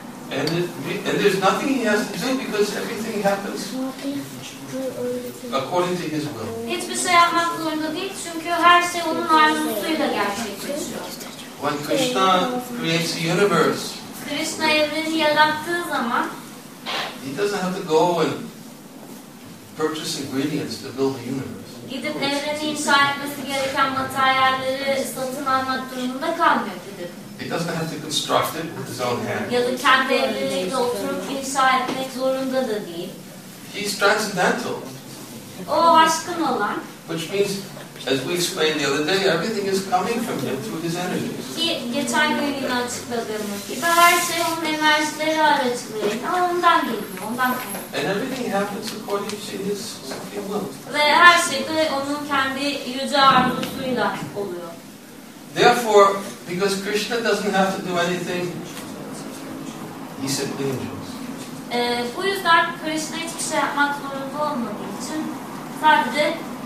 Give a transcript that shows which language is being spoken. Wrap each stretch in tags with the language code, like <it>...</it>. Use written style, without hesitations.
<en>And, and there's nothing he has to do because everything happens according to his will.</en> <tr>Hiçbir şey yapmak zorunda değil çünkü her şey onun arzusuyla gerçekleşiyor.</tr> <en>When Krishna creates a universe,</en> <tr>Krishna evreni yarattığı zaman,</tr> <en>he doesn't have to go and purchase ingredients to build the universe.</en> <tr>Gidip evreni inşa etmesi gereken materyalleri satın almak durumunda kalmıyor gidip.</tr> <en>He doesn't have to construct it with his own hands.</en> <tr>Ya da kendi evreni oturup inşa etmek zorunda da değil.</tr> <en>He's transcendental.</en> <tr>O aşkın olan.</tr> <en>Which means, as we explained the other day, everything is coming from him through his energies.</en> <tr>Ki geçen gün yine açıkladığımız gibi her şey onun enerjileri aracılığıyla ondan geliyor, ondan geliyor.</tr> <en>And everything happens according to his will.</en> <tr>Ve her şey de onun kendi yüce arzusuyla oluyor.</tr> <en>Therefore, because Krishna doesn't have to do anything, he simply enjoys.</en> <tr>Bu yüzden Krishna hiçbir şey yapmak zorunda olmadığı için sadece</tr>